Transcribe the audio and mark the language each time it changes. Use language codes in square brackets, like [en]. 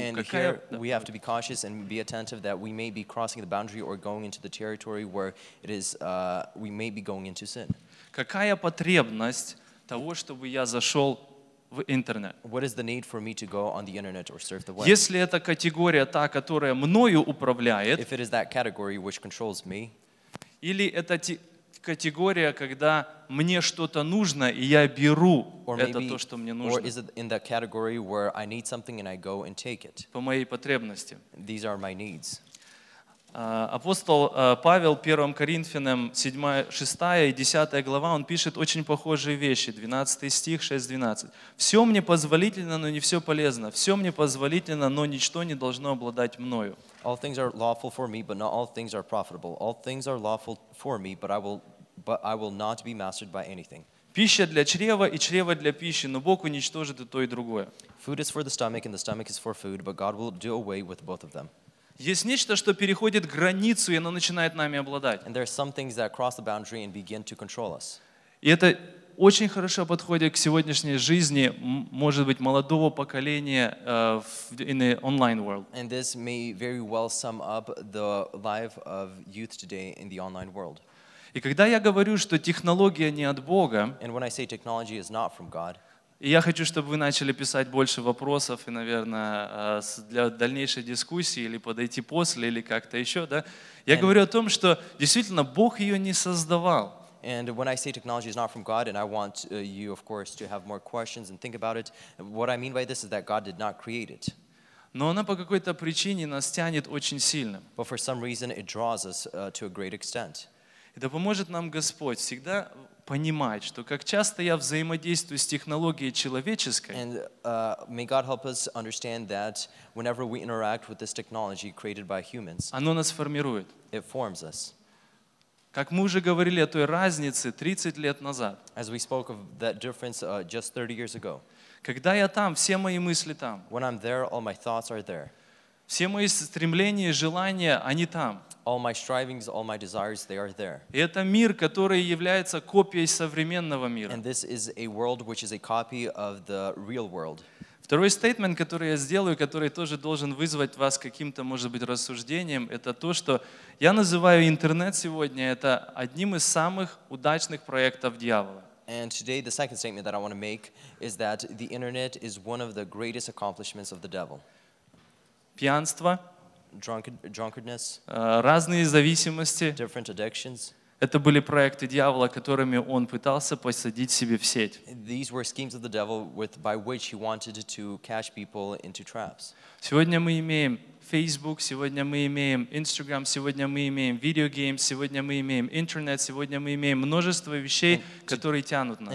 [en] And here we have to be cautious and be attentive that we may be crossing the boundary or going into the territory where it is we may be going into sin. [ru] Какая потребность того, чтобы я зашел в интернет? [en] What is the need for me to go on the internet or surf the web? [ru] Если это категория та, которая мною управляет, [en] if it is that category which controls me, [ru] или это категория, когда мне что-то нужно, и я беру это то, что мне нужно. [en] Or is it in that category where I need something and I go and take it? [ru] По моей потребности. [en] These are my needs. [ru] Апостол Павел 1 Коринфянам 7, 6 и 10 глава, он пишет очень похожие вещи. 12 стих, 6, 12. «Все мне позволительно, но не все полезно. Все мне позволительно, но ничто не должно обладать мною». [en] All things are lawful for me, but not all things are profitable. All things are lawful for me, but I will not be mastered by anything. [ru] Пища для чрева и чрево для пищи, но Бог уничтожит и то, и другое. [en] Food is for the stomach, and the stomach is for food, but God will do away with both of them. [ru] Есть нечто, что переходит границу, и оно начинает нами обладать. [en] And there are some things that cross the boundary and begin to control us. [ru] И это очень хорошо подходит к сегодняшней жизни, может быть, молодого поколения [en] in the online world. And this may very well sum up the life of youth today in the online world. [ru] И когда я говорю, что технология не от Бога, [en] and when I say technology is not from God, [ru] и я хочу, чтобы вы начали писать больше вопросов и, наверное, для дальнейшей дискуссии или подойти после, или как-то еще, да? Я and говорю о том, что действительно Бог ее не создавал. [en] And when I say technology is not from God, and I want you, of course, to have more questions and think about it, what I mean by this is that God did not create it. [ru] Но она по какой-то причине нас тянет очень сильно. [en] But for some reason, it draws us to a great extent. [ru] Это поможет нам Господь всегда понимать, что как часто я взаимодействую с технологией человеческой. [en] And may God help us understand that whenever we interact with this technology created by humans, [ru] оно нас формирует. [en] It forms us. [ru] Как мы уже говорили о той разнице 30 лет назад. [en] As we spoke of that difference just 30 years ago. [ru] Когда я там, все мои мысли там. [en] When I'm there, all my thoughts are there. [ru] Все мои стремления и желания, они там. [en] All my strivings, all my desires, they are there. [ru] И это мир, который является копией современного мира. [en] And this is a world which is a copy of the real world. [ru] Второй statement, который я сделаю, который тоже должен вызвать вас каким-то, может быть, рассуждением, это то, что я называю интернет сегодня это одним из самых удачных проектов дьявола. [en] And today the second statement that I want to make is that the internet is one of the greatest accomplishments of the devil. [ru] Пьянство, [en] drunkenness, [ru] разные зависимости, [en] different addictions. [ru] Это были проекты дьявола, которыми он пытался посадить себе в сеть. [en] These were schemes of the devil with, by which he wanted to catch people into traps. [ru] Сегодня мы имеем Facebook, сегодня мы имеем Instagram, сегодня мы имеем видеоигры, сегодня мы имеем интернет, сегодня мы имеем множество вещей, которые тянут нас.